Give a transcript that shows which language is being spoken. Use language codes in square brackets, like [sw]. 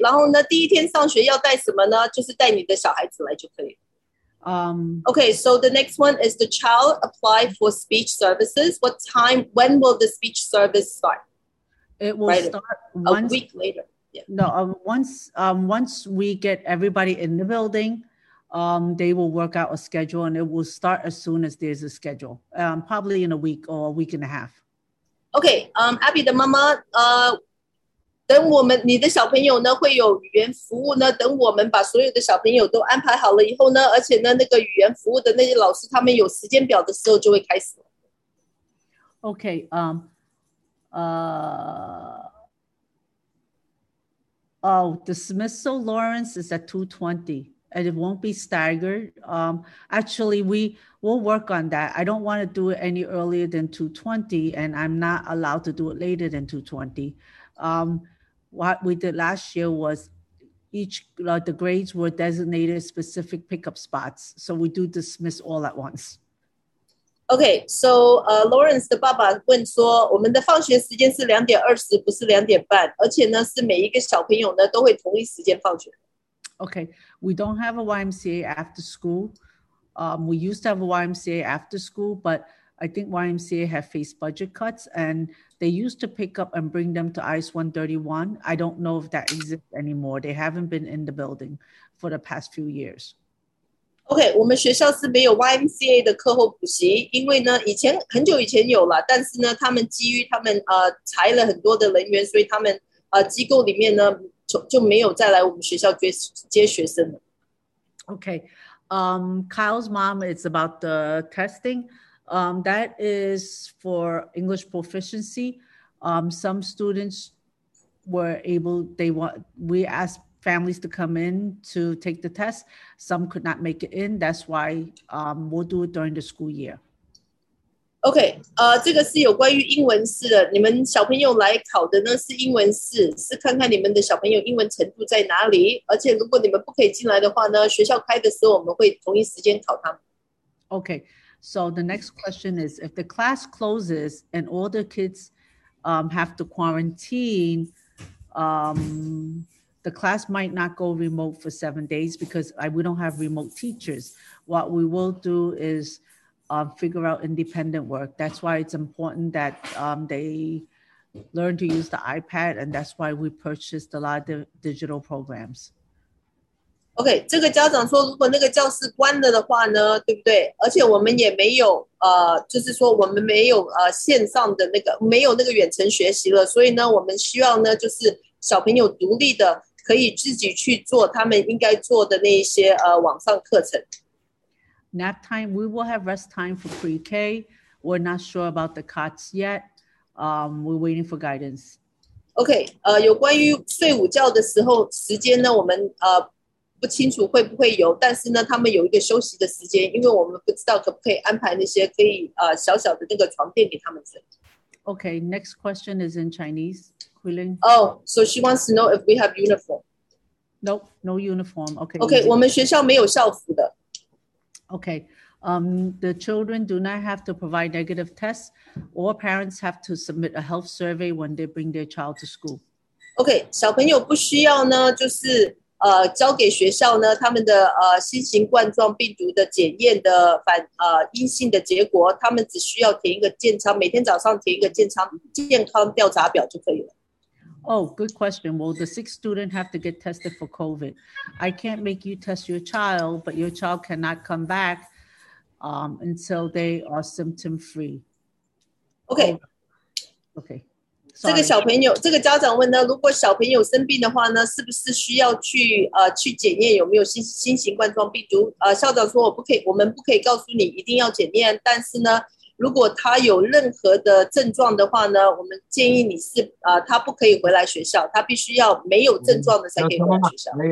[zh] 然后呢，第一天上学要带什么呢？就是带你的小孩子来就可以。 [en] Okay, so the next one is the child apply for speech services. What time, when will the speech service start? It will start a week later. Yeah. No, once we get everybody in the building, they will work out a schedule and it will start as soon as there's a schedule, probably in a week or a week and a half. [zh] Okay, Abby 的妈妈，等我们你的小朋友呢会有语言服务呢，等我们把所有的小朋友都安排好了以后呢，而且呢那个语言服务的那些老师他们有时间表的时候就会开始。 [en] Okay, dismissal Lawrence is at 2:20 and it won't be staggered. Actually, we will work on that. I don't want to do it any earlier than 2:20 and I'm not allowed to do it later than 2:20. What we did last year was the grades were designated specific pickup spots. So we do dismiss all at once. [zh] Okay, so Lawrence 的爸爸问说，我们的放学时间是2:20，不是2:30，而且呢是每一个小朋友呢都会同一时间放学。 [en] Okay, we don't have a YMCA after school. We used to have a YMCA after school, but I think YMCA have faced budget cuts, and they used to pick up and bring them to ICE 131. I don't know if that exists anymore. They haven't been in the building for the past few years. [zh] Okay, 我们学校是没有 YMCA 的课后补习，因为呢，以前很久以前有了，但是呢，他们基于他们裁了很多的人员，所以他们机构里面呢就没有再来我们学校接学生了。 [en] Okay, Kyle's mom is about the testing. That is for English proficiency. Some students were able. We asked families to come in to take the test. Some could not make it in. That's why we'll do it during the school year. [zh] Okay, 这个是有关于英文试的。你们小朋友来考的呢是英文试，是看看你们的小朋友英文程度在哪里。而且如果你们不可以进来的话呢，学校开的时候我们会同一时间考他们。 [en] Okay, so the next question is, if the class closes and all the kids have to quarantine, the class might not go remote for 7 days because we don't have remote teachers. What we will do is figure out independent work. That's why it's important that they learn to use the iPad, and that's why we purchased a lot of digital programs. [zh] Okay, 这个家长说，如果那个教室关了的话呢，对不对？而且我们也没有就是说我们没有线上的那个没有那个远程学习了，所以呢，我们需要呢就是小朋友独立的。可以自己去做他们应该做的那一些网上课程。 [en] Nap time, we will have rest time for pre-K. We're not sure about the cuts yet. We're waiting for guidance. [zh] Okay, 有关于睡午觉的时候时间呢，我们不清楚会不会有，但是呢，他们有一个休息的时间，因为我们不知道可不可以安排那些可以小小的那个床垫给他们睡。 [en] Okay, next question is in Chinese. Oh, so she wants to know if we have uniform. Nope, no uniform. Okay. [zh] Okay, 我们学校没有校服的。 [en] Okay, the children do not have to provide negative tests. All parents have to submit a health survey when they bring their child to school. [zh] Okay, 小朋友不需要呢，就是交给学校呢他们的新型冠状病毒的检验的反阴性的结果，他们只需要填一个健康，每天早上填一个健康调查表就可以了。 [en] Oh, good question. Will the sick student have to get tested for COVID? I can't make you test your child, but your child cannot come back until they are symptom free. Okay. Okay. [zh] 这个小朋友，这个家长问呢，如果小朋友生病的话呢，是不是需要去检验有没有新型冠状病毒？校长说我们不可以告诉你一定要检验，但是呢。如果他有任何的症状的话呢，我们建议你是他不可以回来学校，他必须要没有症状的才可以回来学校。